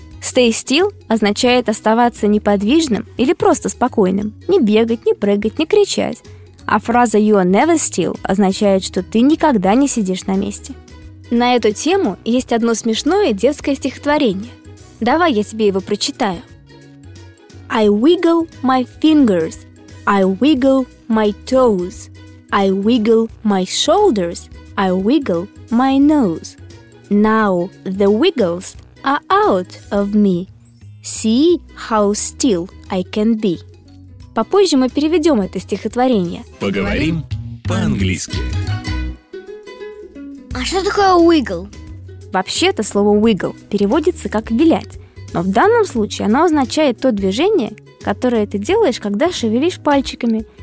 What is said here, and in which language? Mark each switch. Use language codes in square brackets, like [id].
[en] Stay still [ru] означает оставаться неподвижным или просто спокойным. Не бегать, не прыгать, не кричать. А фраза [en] «you are never still» [ru] означает, что ты никогда не сидишь на месте. На эту тему есть одно смешное детское стихотворение. Давай я тебе его прочитаю. [en] I wiggle my fingers, I wiggle my toes, I wiggle my shoulders, I wiggle my nose. Now the wiggles are out of me. See how still I can be. [ru] Попозже мы переведем это стихотворение. Поговорим по-английски. А что такое wiggle? Вообще-то слово wiggle переводится как вилять, но в данном случае оно означает то движение, которое ты делаешь, когда шевелишь пальчиками.